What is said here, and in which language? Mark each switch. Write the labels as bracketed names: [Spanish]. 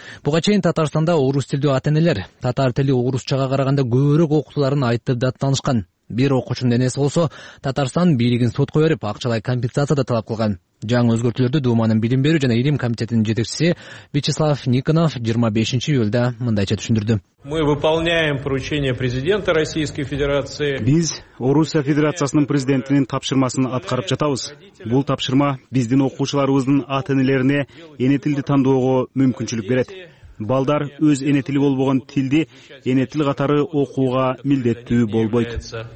[Kyrgyz] Буга чейин Татарстанда орус тилдүү ата энелер татар тили орусчага караганда көбүрөөк окутуларын айтып даттанышкан. Бир окуучунун энеси болсо Татарстан бийлигин сотко берип акчалай компенсация да талап кылган. Жаңы өзгөртүүлөрдү Дууманын билим берүү жана илим комитетинин жетекчиси Вячеслав Никонов 25 июлда мындайча түшүндүрдү. [Russian] Мы выполняем поручение президента Российской Федерации. [Kyrgyz] Биз Орусия Федерациясынын президентинин тапшырмасын аткарып жатабыз. Бул тапшырма биздин окуучуларыбыздын ата энелерине эне тилди тандоого мүмкүнчүлүк берет. Балдар өз эне тили болбогон тилди эне тил катары окууга милдеттүү болбойт.